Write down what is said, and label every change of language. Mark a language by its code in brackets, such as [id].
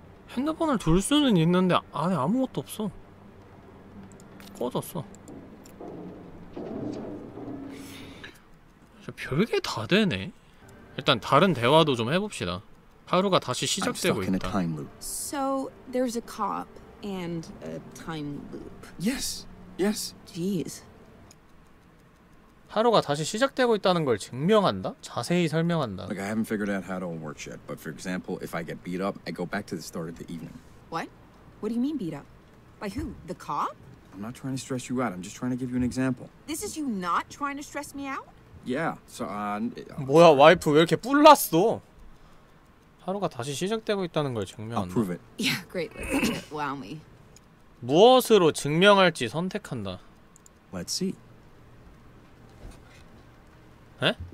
[ko] 핸드폰을 둘 수는 있는데 안에 아무것도 없어. 꺼졌어. 별게 다 되네. 일단 다른 대화도 좀 해봅시다. 하루가 다시 시작되고 있다. [en] So there's a cop and a time loop. Yes. Yes. Jeez. [ko] 하루가 다시 시작되고 있다는 걸 증명한다? 자세히 설명한다. [en] Like I haven't figured out how it all works yet. But for example, if I get beat up, I go back to the start of the evening. What? What do you mean beat up? By who? The cop? I'm not trying to stress you out. I'm just trying to give you an example. This is you not trying to stress me out? Yeah. So I'm [ko] 뭐야, 와이프 왜 이렇게 뿔났어? 하루가 다시 시작되고 있다는 걸 증명한다. [en] I'll prove it. Yeah, great. Wow me. [ko] 무엇으로 증명할지 선택한다. [en] Let's see. 에?